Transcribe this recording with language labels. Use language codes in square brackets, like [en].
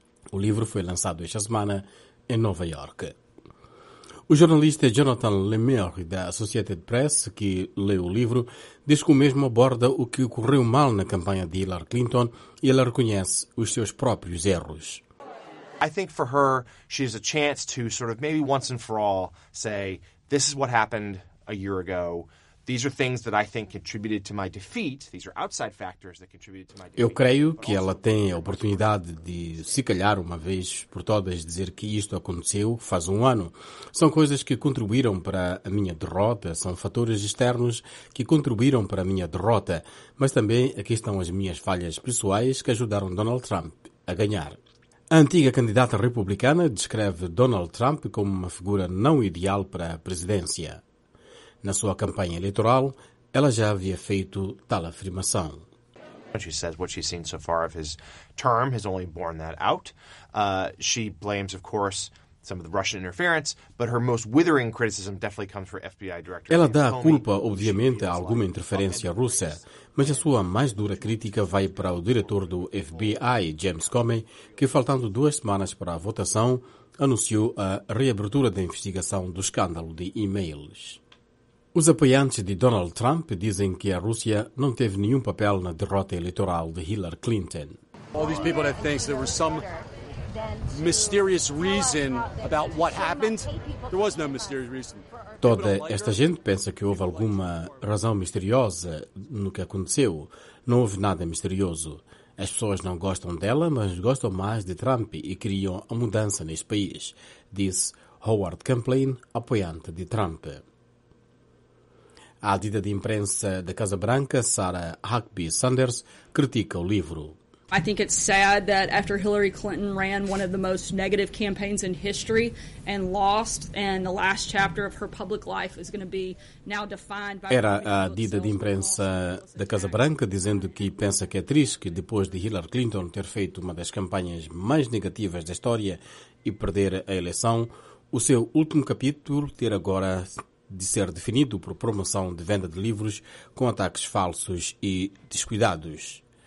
[pt] O livro foi lançado esta semana em Nova York. O jornalista Jonathan Lemire, da Associated Press, que leu o livro, diz que o mesmo aborda o que ocorreu mal na campanha de Hillary Clinton e ela reconhece os seus próprios erros. [en] I think for her, she has a chance to sort of maybe once and for all say, this is what happened a year ago. These are things that I think contributed to my defeat. These are outside factors that contributed to my defeat. [pt] Eu creio que ela tem a oportunidade de, se calhar, uma vez por todas, dizer que isto aconteceu faz um ano. São coisas que contribuíram para a minha derrota, são fatores externos que contribuíram para a minha derrota, mas também aqui estão as minhas falhas pessoais que ajudaram Donald Trump a ganhar. A antiga candidata republicana descreve Donald Trump como uma figura não ideal para a presidência. Na sua campanha eleitoral, ela já havia feito tal afirmação. [en] She says what she's seen so far of his term has only borne that out. She blames, of course, some of the Russian interference, but her most withering criticism definitely comes for FBI director. [pt] Ela dá a culpa, obviamente, a alguma interferência russa, mas a sua mais dura crítica vai para o diretor do FBI, James Comey, que, faltando duas semanas para a votação, anunciou a reabertura da investigação do escândalo de e-mails. Os apoiantes de Donald Trump dizem que a Rússia não teve nenhum papel na derrota eleitoral de Hillary Clinton. [en] All these people that think there was some mysterious reason about what happened, there was no mysterious reason. [pt] Toda esta gente pensa que houve alguma razão misteriosa no que aconteceu. Não houve nada misterioso. As pessoas não gostam dela, mas gostam mais de Trump e queriam a mudança neste país, disse Howard Kamplein, apoiante de Trump. A adida de imprensa da Casa Branca, Sarah Huckabee Sanders, critica o livro. [en] I think it's sad that after Hillary Clinton ran one of the most negative campaigns in history and lost, and the last chapter of her public life is going to be now defined by. [pt] Era a dita de imprensa da Casa Branca dizendo que pensa que é triste que depois de Hillary Clinton ter feito uma das campanhas mais negativas da história e perder a eleição, o seu último capítulo ter agora de ser definido por promoção de venda de livros com ataques falsos e descuidados.